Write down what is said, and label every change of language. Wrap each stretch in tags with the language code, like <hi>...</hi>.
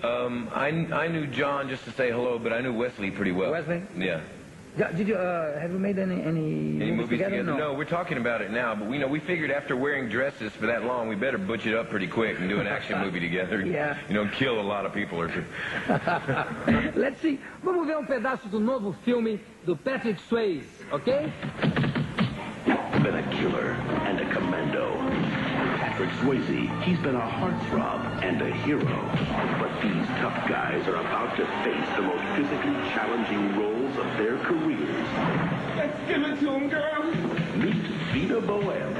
<en>I knew John just to say hello, but I knew Wesley pretty well. Wesley? Yeah. Did you have you made any movies together? No, we're talking about it now, but we know we figured after wearing dresses for that long, we better butch it up pretty quick and do an action movie together. Yeah. You know, kill a lot of people or two. Let's see.</en> <pt>Vamos ver pedaço do novo filme do Patrick Swayze, okay?</pt> <en>Been a killer and a commando. Patrick Swayze, he's been a heartthrob and a hero. But these tough guys are about to face the most physically challenging roles of their careers. Let's give it to him, girl. Meet Vita Boem.</en>